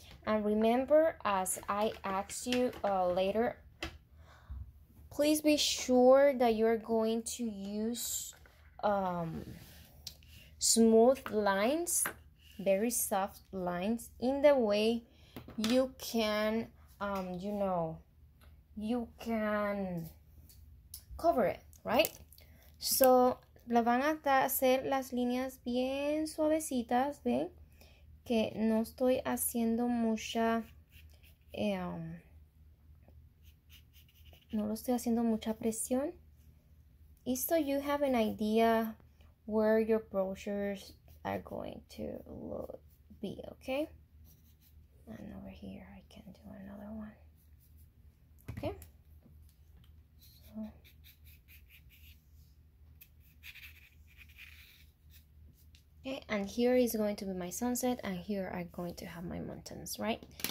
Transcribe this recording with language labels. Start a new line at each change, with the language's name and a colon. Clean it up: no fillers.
English: And remember, as I ask you later, please be sure that you're going to use smooth lines, very soft lines, in the way you can, you know, you can cover it, right?
Spanish: So, la van a hacer las líneas bien suavecitas, ¿ven? Que no estoy haciendo mucha no lo estoy haciendo mucha presión.
English: Y so you have an idea where your brochures are going to look, be, okay? And over here I can do another one. Okay. So okay, and here is going to be my sunset, and here I'm going to have my mountains, right?